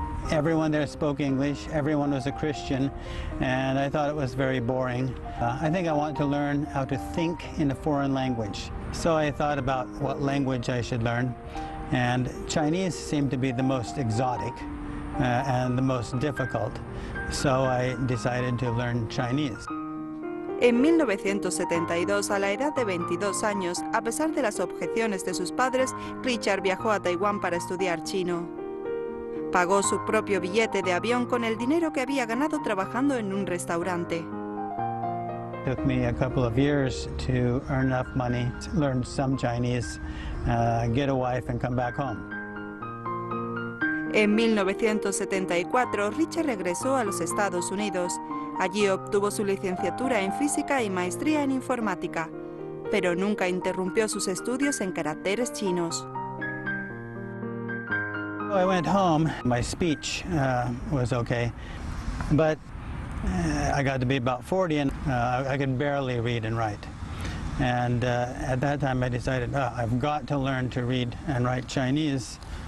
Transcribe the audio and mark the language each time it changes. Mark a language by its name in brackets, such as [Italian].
[English] Everyone there spoke English, everyone was a Christian, and I thought it was very boring. I think I want to learn how to think in a foreign language. So I thought about what language I should learn, and Chinese seemed to be the most exotic and the most difficult, so I decided to learn Chinese. [Spanish] En 1972, a la edad de 22 años, a pesar de las objeciones de sus padres, Richard viajó a Taiwán para estudiar chino. Pagó su propio billete de avión con el dinero que había ganado trabajando en un restaurante. [English] It took me a couple of years to earn enough money to learn some Chinese, get a wife and come back home. [Spanish] En 1974, Richard regresó a los Estados Unidos. Allí obtuvo su licenciatura en física y maestría en informática, pero nunca interrumpió sus estudios en caracteres chinos. [English] I went home. My speech was okay, but I got to be about 40 and I could barely read and write. And at that time I decided, I've got to learn to read and write Chinese.